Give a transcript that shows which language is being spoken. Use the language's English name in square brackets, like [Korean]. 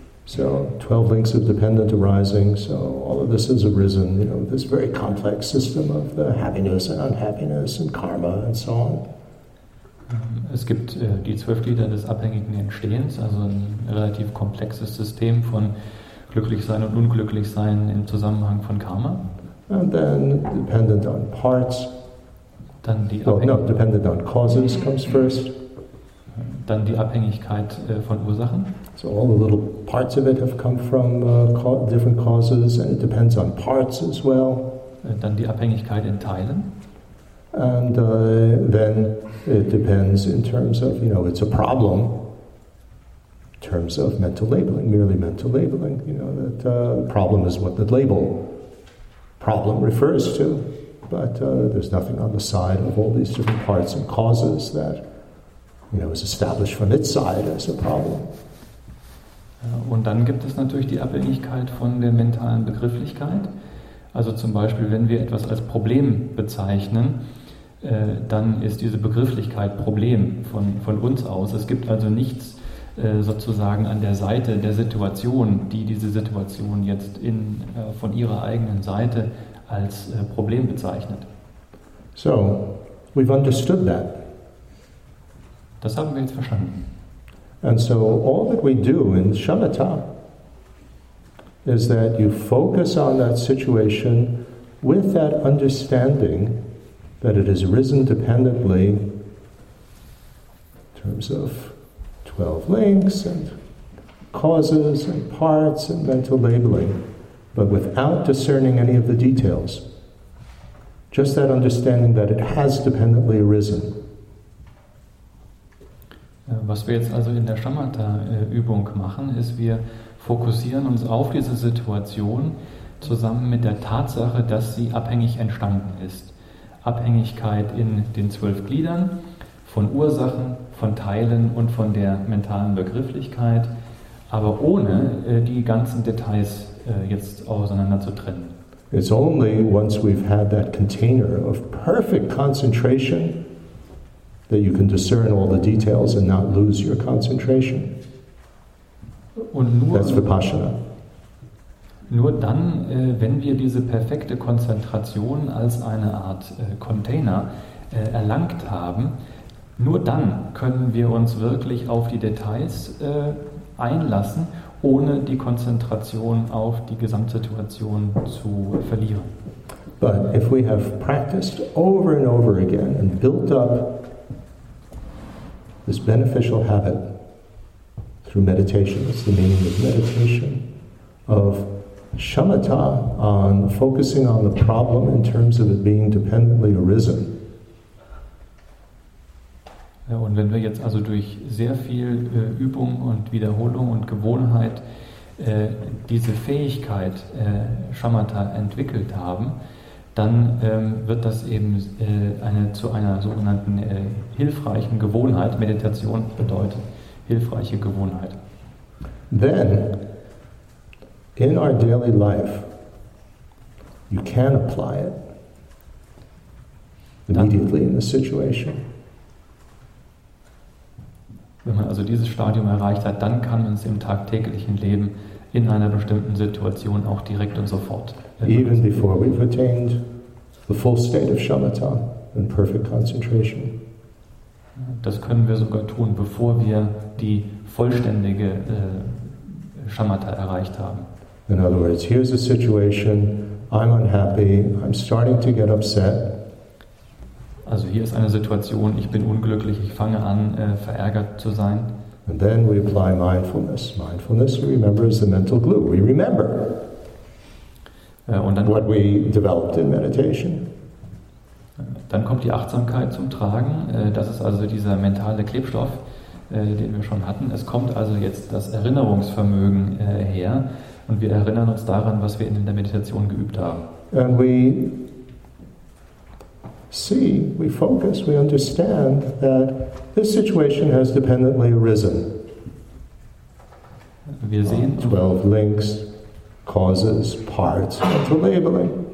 [English] So, 12 links of dependent arising, so all of this has arisen, you know, this very complex system of the happiness and unhappiness and karma and so on. [German] Es gibt die 12 Glieder des abhängigen Entstehens, also ein relativ komplexes System von glücklich sein und unglücklich sein im Zusammenhang von Karma. [English] And then dependent on parts. [German] Dann die [English] dependent on causes comes first. [German] Dann die Abhängigkeit von Ursachen. [English] So all the little parts of it have come from different causes, and it depends on parts as well. [German] Dann die Abhängigkeit in Teilen. [English] And then it depends in terms of, you know, it's a problem. Terms of mental labeling, merely mental labeling, you know, that problem is what the label problem refers to, but there's nothing on the side of all these different parts and causes that, you know, is established from its side as a problem. [German] Und dann gibt es natürlich die Abhängigkeit von der mentalen Begrifflichkeit. Also zum Beispiel, wenn wir etwas als Problem bezeichnen, dann ist diese Begrifflichkeit Problem von uns aus. Es gibt also nichts sozusagen an der Seite der Situation, die diese Situation jetzt in, von ihrer eigenen Seite als Problem bezeichnet. [English] So, we've understood that. [German] Das haben wir jetzt verstanden. [English] And so all that we do in shamatha is that you focus on that situation with that understanding that it has arisen dependently in terms of 12 links and causes and parts and mental labeling, but without discerning any of the details. Just that understanding that it has dependently arisen. [German] Was wir jetzt also in der Shamatha-Übung machen, ist, wir fokussieren uns auf diese Situation zusammen mit der Tatsache, dass sie abhängig entstanden ist. Abhängigkeit in den 12 Gliedern von Ursachen, von Teilen und von der mentalen Begrifflichkeit, aber ohne die ganzen Details jetzt auseinander zu trennen. [English] It's only once we've had that container of perfect concentration that you can discern all the details and not lose your concentration. [German] Und nur, [English] that's Vipassana. [German] Nur dann, wenn wir diese perfekte Konzentration als eine Art Container erlangt haben, nur dann können wir uns wirklich auf die Details einlassen, ohne die Konzentration auf die Gesamtsituation zu verlieren. [English] But if we have practiced over and over again and built up this beneficial habit through meditation, that's the meaning of meditation, of shamatha, on focusing on the problem in terms of it being dependently arisen. [German] Ja, und wenn wir jetzt also durch sehr viel Übung und Wiederholung und Gewohnheit diese Fähigkeit Shamatha entwickelt haben, dann wird das eben zu einer sogenannten hilfreichen Gewohnheit. Meditation bedeutet hilfreiche Gewohnheit. [English] Then, in our daily life, you can apply it immediately in the situation. [German] Wenn man also dieses Stadium erreicht hat, dann kann man es im tagtäglichen Leben in einer bestimmten Situation auch direkt und sofort. [English] Even before we've attained the full state of shamatha and perfect concentration. [German] Das können wir sogar tun, bevor wir die vollständige Shamatha erreicht haben. [English] In other words, here's a situation, I'm unhappy, I'm starting to get upset. [German] Also hier ist eine Situation, ich bin unglücklich, ich fange an, verärgert zu sein. [English] And then we apply mindfulness. Mindfulness, we remember, is the mental glue. We remember what we developed in meditation. [German] Dann kommt die Achtsamkeit zum Tragen. Das ist also dieser mentale Klebstoff, den wir schon hatten. Es kommt also jetzt das Erinnerungsvermögen her. Und wir erinnern uns daran, was wir in der Meditation geübt haben. [English] And we see, we focus, we understand that this situation has dependently arisen. [German] Wir sehen [English] 12 links, causes, parts, mental labeling.